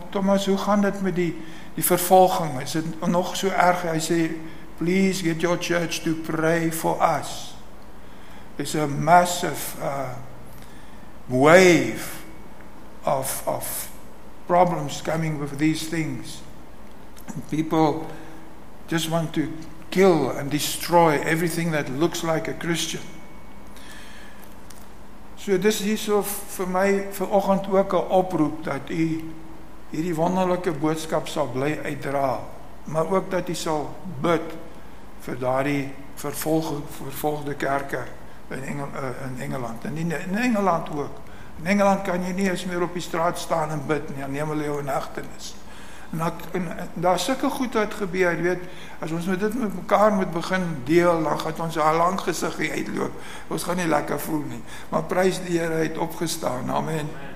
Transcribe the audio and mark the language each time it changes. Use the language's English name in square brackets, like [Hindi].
[Afrikaans] Thomas, hoe gaan dit met die vervolging? Is dit nog so erg? Hy sê, [English] please get your church to pray for us. It's a massive wave of problems coming with these things. People just want to kill and destroy everything that looks like a Christian. [Afrikaans] So dis hierso vir my vanoggend ook 'n oproep dat u hierdie wonderlike boodskap sal bly uitdra, maar ook dat u sal bid vir daardie vervolgde kerke in Engeland. En in Engeland ook. In Engeland kan jy nie eens meer op die straat staan en bid nie, neem hulle jou in hegtenis. En daar is sulke goed wat gebeur, jy weet, as ons dit met mekaar moet begin deel, dan gaat ons al lang gezicht uitloop, ons gaan nie lekker voel nie, maar prys die Heer het opgestaan, amen.